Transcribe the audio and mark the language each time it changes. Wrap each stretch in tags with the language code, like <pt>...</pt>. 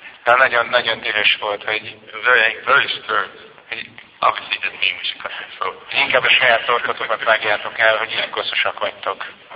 <hu>De nagyon dühös volt, hogy...</hu> <en>Very angry, very stern. Obviously he didn't mean we should cut his throat.</en> <hu>Inkább a saját torkotokat vágjátok el, hogy ilyen koszosak vagytok.</hu>